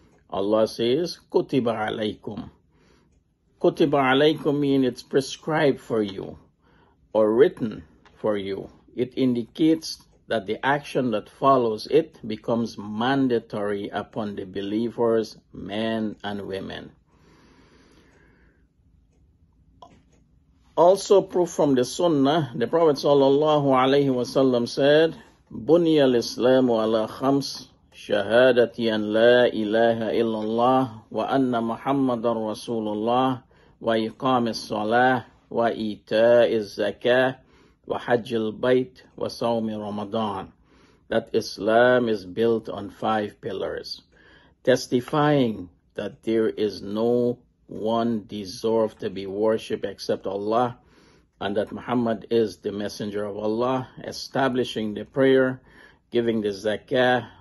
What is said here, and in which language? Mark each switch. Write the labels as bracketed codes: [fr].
[en] Allah says, Kutiba alaykum. Kutiba alaykum means it's prescribed for you or written for you. It indicates that the action that follows it becomes mandatory upon the believers, men and women. Also proof from the Sunnah, the Prophet sallallahu alayhi wa sallam said, [ar] بني الإسلام على خمس شهادة أن لا إله إلا الله وأن محمد رسول الله وإقام الصلاة وإيتاء الزكاة وحج البيت وصوم رمضان. [en] That Islam is built on five pillars, testifying that there is no one deserve to be worshipped except Allah, and that Muhammad is the messenger of Allah, establishing the prayer, giving the zakah,